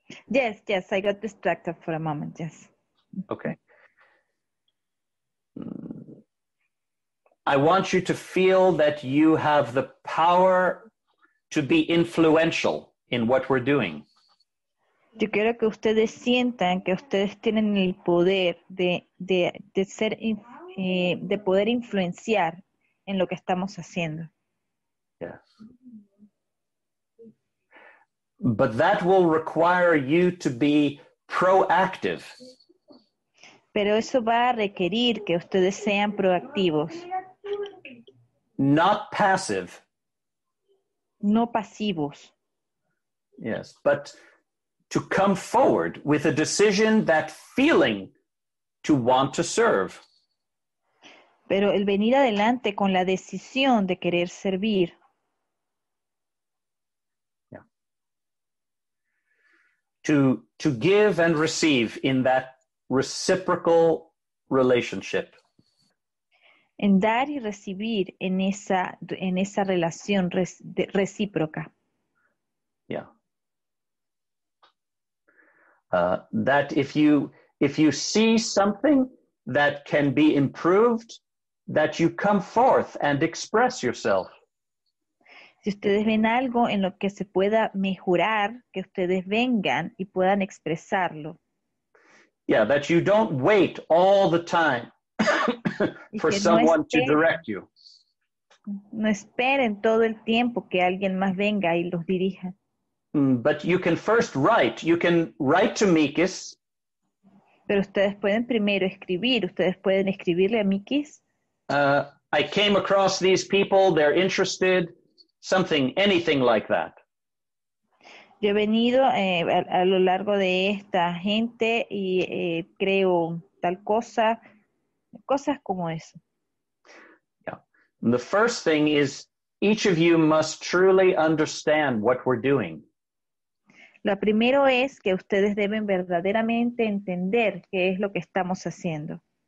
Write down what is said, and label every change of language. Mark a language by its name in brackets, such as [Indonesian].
[English] Yes. I got distracted for a moment. Yes. Okay. I want you to feel that you have the power to be influential in what we're doing. [Spanish] Yo quiero que ustedes sientan que ustedes tienen el poder de poder influenciar en lo que estamos haciendo. [English] Yes. But that will require you to be proactive. [Spanish] Pero eso va a requerir que ustedes sean proactivos. [English] Not passive. [Spanish] No pasivos. [English] Yes, but to come forward with a decision, that feeling to want to serve. [Spanish] Pero el venir adelante con la decisión de querer servir. [English] Yeah. To give and receive in that reciprocal relationship. [Spanish] En dar y recibir en esa relación recíproca. [English] Yeah. That if you see something that can be improved, that you come forth and express yourself. [Spanish] Si ustedes ven algo en lo que se pueda mejorar, que ustedes vengan y puedan expresarlo. [English] Yeah, that you don't wait all the time for someone to direct you. [Spanish] No esperen todo el tiempo que alguien más venga y los dirija. [English] But you can first write. You can write to Mikis. [Spanish] Pero ustedes pueden primero escribir. Ustedes pueden escribirle a Mikis. [English] I came across these people. They're interested. Something, anything like that. [Spanish] Yo he venido a lo largo de esta gente y creo tal cosa. Cosas como eso. [English] Yeah. The first thing is each of you must truly understand what we're doing. [Spanish] Lo primero es que ustedes deben verdaderamente entender qué es lo que estamos haciendo.